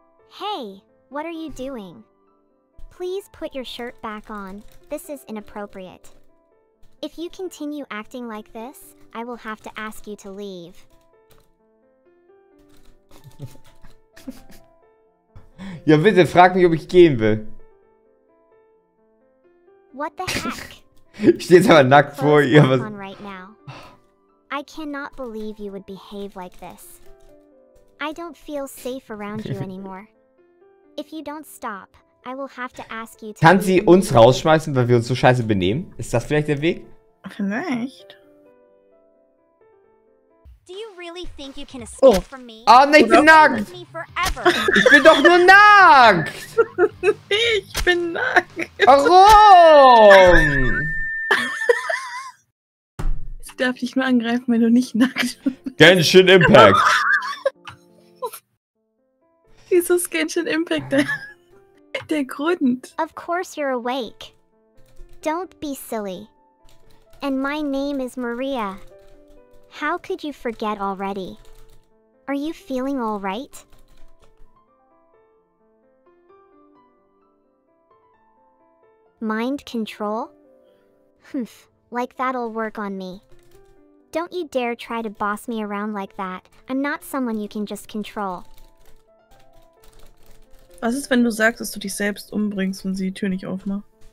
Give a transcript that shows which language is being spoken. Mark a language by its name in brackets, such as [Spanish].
[English] Hey, what are you doing? Please put your shirt back on. This is inappropriate. If you continue acting like this, I will have to ask you to leave. [German] Ja bitte, frag mich, ob ich gehen will. [English] What the heck? [German] Ich stehe jetzt aber nackt vor ihr, was... [English] Right now. I cannot believe you would behave like this. I don't feel safe around you anymore. If you don't stop, I will have to ask you to... [German] Kann sie uns rausschmeißen, weil wir uns so scheiße benehmen? Ist das vielleicht der Weg? Vielleicht. [English] Do you really think you can escape from me? [German] Oh, nein, ich bin nackt! Ich bin doch nur nackt! Ich bin nackt! Warum? Sie darf dich nur angreifen, wenn du nicht nackt bist. Genshin Impact! Wieso ist Genshin Impact der Grund? [English] Of course you're awake. Don't be silly. And my name is Maria. How could you forget already? Are you feeling all right? Mind control? Humph, like that'll work on me. Don't you dare try to boss me around like that. I'm not someone you can just control. [German] Was ist, wenn du sagst, dass du dich selbst umbringst und sie die Tür nicht aufmacht?